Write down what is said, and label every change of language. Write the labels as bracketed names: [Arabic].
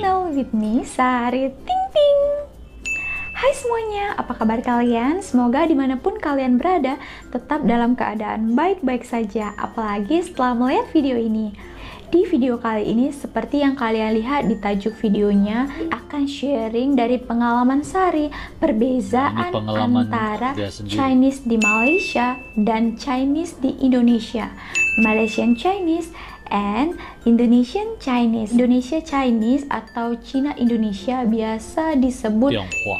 [English] Channel with me Sari Ting Ting. [Indonesian] Hai semuanya, apa kabar kalian? Semoga dimanapun kalian berada, tetap dalam keadaan baik-baik saja, apalagi setelah melihat video ini. Di video kali ini, seperti yang kalian lihat di tajuk videonya, akan sharing dari pengalaman Sari, perbedaan pengalaman antara Chinese di Malaysia dan Chinese di Indonesia. [English] Malaysian Chinese and Indonesian Chinese. [Indonesian] Indonesia Chinese atau Cina Indonesia biasa disebut Tionghoa.